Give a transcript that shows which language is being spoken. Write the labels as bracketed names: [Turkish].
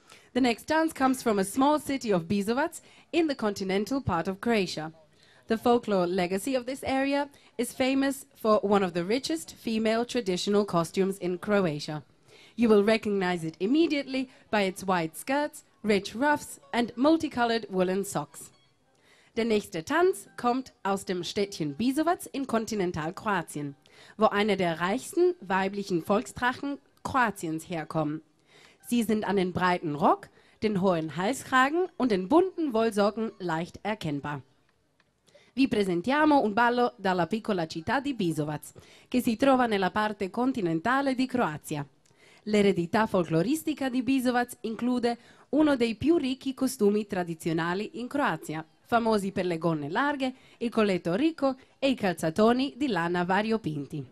[English] The next dance comes from a small city of Bizovac in the continental part of Croatia. The folklore legacy of this area is famous for one of the richest female traditional costumes in Croatia. You will recognize it immediately by its wide skirts, rich ruffs and multicolored woolen socks. [German] Der nächste Tanz kommt aus dem Städtchen Bizovac in Kontinentalkroatien, wo eine der reichsten weiblichen Volkstrachen Kroatiens herkommen. Sie sind an den breiten Rock, den hohen Halskragen und den bunten Wollsocken leicht erkennbar. [Italian] Vi presentiamo un ballo dalla piccola città di Bizovac, che si trova nella parte continentale di Croazia. L'eredità folcloristica di Bizovac include uno dei più ricchi costumi tradizionali in Croazia, famosi per le gonne larghe, il colletto ricco e i calzatoni di lana variopinti.